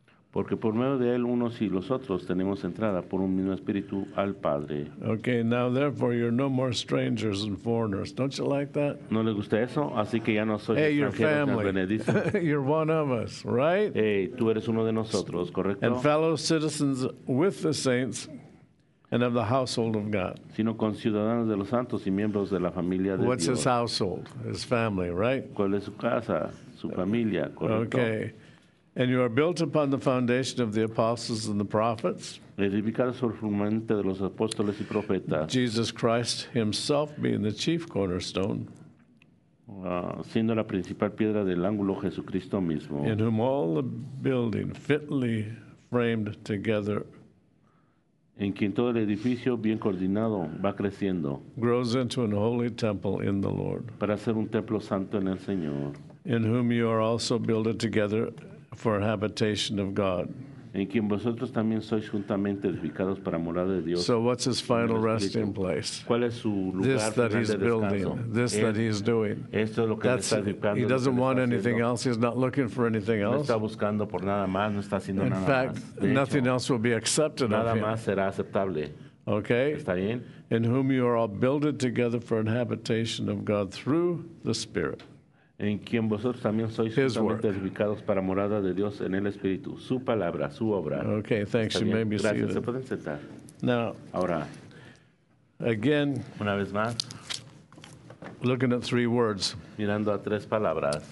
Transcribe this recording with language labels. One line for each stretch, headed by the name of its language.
Spanish: Porque por medio de él unos y los otros tenemos entrada por un mismo espíritu al Padre.
English: Okay, now therefore you're no more strangers and foreigners. Don't you like that?
Spanish: ¿No le gusta eso? Así que ya no soy extranjero.
English: Hey, you're family. You're one of us, right? Hey,
Spanish: tú eres uno de nosotros, ¿correcto?
English: And fellow citizens with the saints and of the household of God.
Spanish: Sino con ciudadanos de los santos y miembros de la familia de Dios.
English: What's his household? His family, right?
Spanish: ¿Cuál es su casa? Su familia, ¿correcto?
English: Okay. And you are built upon the foundation of the apostles and the prophets.
Spanish: Edificado sobre el fundamento de los apóstoles y profetas.
English: Jesus Christ himself being the chief cornerstone.
Spanish: Siendo la principal piedra del ángulo, Jesucristo mismo.
English: In whom all the building fitly framed together.
Spanish: En quien todo el edificio bien coordinado va creciendo.
English: Grows into a holy temple in the Lord.
Spanish: Para ser un templo santo en el Señor.
English: In whom you are also builded together for habitation of God.
Spanish: En quien vosotros también sois juntamente edificados para morada de Dios.
English: So what's his final resting place?
Spanish: ¿Cuál es su lugar final de descanso?
English: This that he's building. This that he's doing.
Spanish: Esto es lo que está edificando.
English: He doesn't want anything else. He's not looking for anything else.
Spanish: No está buscando por nada más. No está haciendo nada más.
English: In fact, nothing else will be accepted of him.
Spanish: Nada más será aceptable.
English: Okay.
Spanish: Está bien.
English: In whom you are all builded together for an habitation of God through the Spirit.
Spanish: En quien vosotros también sois juntamente edificados para morada de Dios en el Espíritu. Su palabra, su obra.
English: Okay, thanks. You may be seated.
Spanish: Gracias. Se pueden sentar.
English: Now,
Spanish: ahora,
English: again,
Spanish: una vez más,
English: looking at three words,
Spanish: mirando a tres palabras,